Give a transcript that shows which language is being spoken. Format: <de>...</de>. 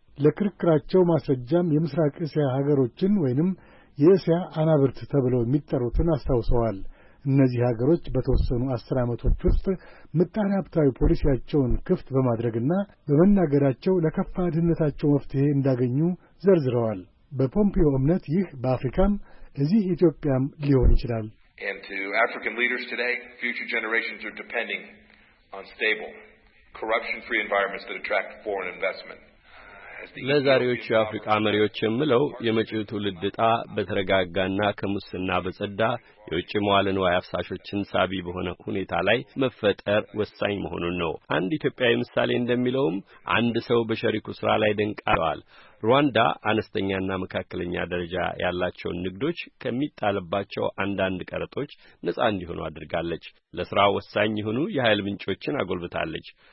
<am>ለክርክራቸው ማስረጃም የምስራቅ እስያ ሀገሮችን ወይንም የእስያ አናብርት ተብለው የሚጠሩትን አስተውሰዋል። እነዚህ ሀገሮች በተወሰኑ 10 አመቶች ውስጥ ምጣኔ ሀብታዊ ፖሊሲያቸውን ክፍት በማድረግና በመናገራቸው ለከፋ ድህነታቸው መፍትሄ እንዳገኙ ዘርዝረዋል። በፖምፒዮ እምነት ይህ በአፍሪካም እዚህ ኢትዮጵያም ሊሆን ይችላል።</am> <en>And to African leaders today, future generations are depending on stable, corruption-free environments that attract foreign investment.</en> <am>ለዛሬዎቹ አፍሪካ መሪዎች እምለው የመጪው ትውልድ ጣ በተረጋጋና ከሙስና በጸዳ የውጭ መዋለ ንዋይ አፍሳሾችን ሳቢ በሆነ ሁኔታ ላይ መፈጠር ወሳኝ መሆኑን ነው። አንድ ኢትዮጵያዊ ምሳሌ እንደሚለውም አንድ ሰው በሸሪኩ ስራ ላይ ደንቃለዋል። ሩዋንዳ አነስተኛና መካከለኛ ደረጃ ያላቸው ንግዶች ከሚጣለባቸው አንዳንድ ቀረጦች ነጻ እንዲሆኑ አድርጋለች። ለስራ ወሳኝ የሆኑ የኃይል ምንጮችን አጎልብታለች።</am>